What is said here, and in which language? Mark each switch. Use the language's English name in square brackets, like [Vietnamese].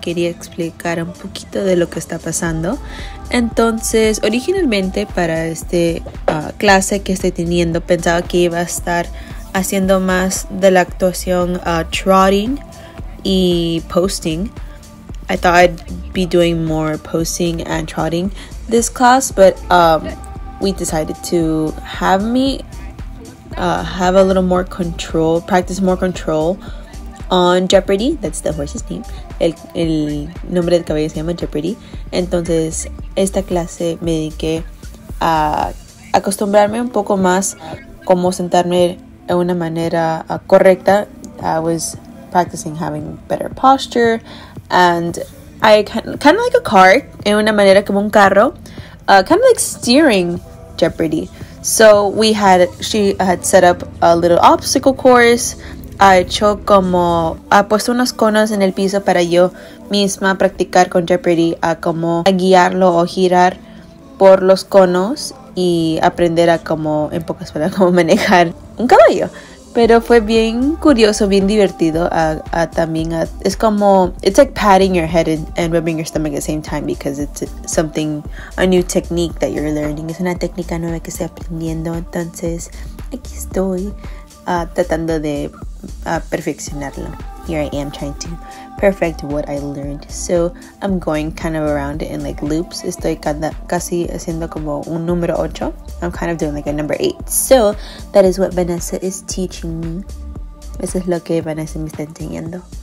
[Spanish] Quería explicar un poquito de lo que está pasando. Entonces, originalmente para este clase que estoy teniendo, pensaba que iba a estar haciendo más de la actuación trotting y posting. [English] I thought I'd be doing more posting and trotting this class, but we decided to have me have a little more control, practice more control on Jeopardy. That's the horse's name. [Spanish] El nombre del caballo se llama Jeopardy. Entonces, esta clase me dediqué a acostumbrarme un poco más cómo sentarme en una manera correcta. [English] I was practicing having better posture. And I kind of like a car, [Spanish] en una manera como un carro, [English] kind of like steering Jeopardy. So she had set up a little obstacle course. [Spanish] Ha puesto unos conos en el piso para yo misma practicar con Jeopardy a como a guiarlo o girar por los conos y aprender a como, en pocas palabras, como manejar un caballo. Pero fue bien curioso, bien divertido. Es como, [English] it's like patting your head and rubbing your stomach at the same time because it's something, a new technique that you're learning. [Spanish] Es una técnica nueva que estoy aprendiendo. Entonces, aquí estoy tratando de perfeccionarlo. [English] Here I am trying to perfect what I learned. So, I'm going kind of around in like loops. [Spanish] Estoy casi haciendo como un número 8. [English] I'm kind of doing like a number 8. So, that is what Vanessa is teaching me. [Spanish] Eso es lo que Vanessa me está enseñando.